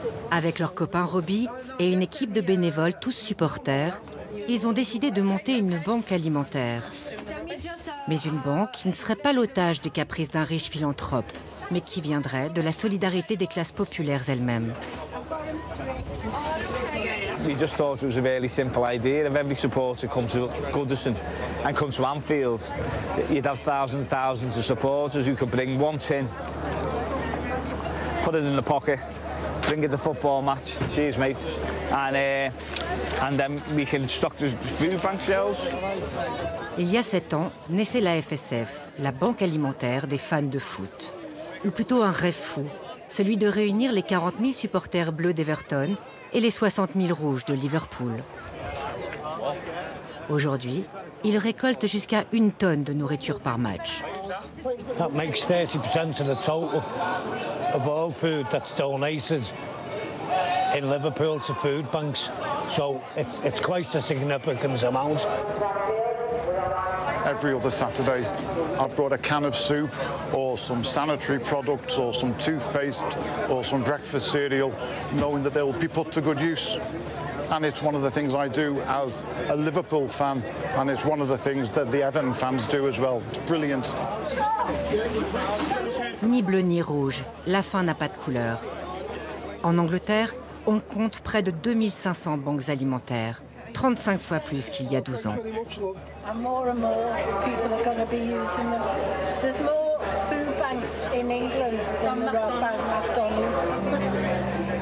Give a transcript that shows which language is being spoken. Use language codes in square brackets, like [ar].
[fr] Avec leur copain Robbie et une équipe de bénévoles, tous supporters, ils ont décidé de monter une banque alimentaire. Mais une banque qui ne serait pas l'otage des caprices d'un riche philanthrope, mais qui viendrait de la solidarité des classes populaires elles-mêmes. [en] We just thought it was a really simple idea. If every supporter comes to Goodison and comes to Anfield, you'd have thousands and thousands of supporters who could bring one tin, put it in the pocket, bring it to football match. Cheers, mate. And then we can stock the food bank shelves. [fr] Il y a 7 ans, naissait la FSF, la banque alimentaire des fans de foot. Ou plutôt un rêve fou, celui de réunir les 40 000 supporters bleus d'Everton et les 60 000 rouges de Liverpool. Aujourd'hui, ils récoltent jusqu'à 1 tonne de nourriture par match. Ça fait 30% du total de tout le [en] food [fr] qui est donné à Liverpool aux food banks. Donc, c'est [en] quite a significant amount. Every other Saturday, I've brought a can of soup or some sanitary products or some toothpaste or some breakfast cereal, knowing that they'll be put to good use. And it's one of the things I do as a Liverpool fan, and it's one of the things that the Everton fans do as well. It's brilliant. [fr] Ni bleu ni rouge, la faim n'a pas de couleur. En Angleterre, on compte près de 2500 banques alimentaires, 35 fois plus qu'il y a 12 ans. [en] And more and more people are going to be using them. There's more food banks in England than there are banks at McDonald's.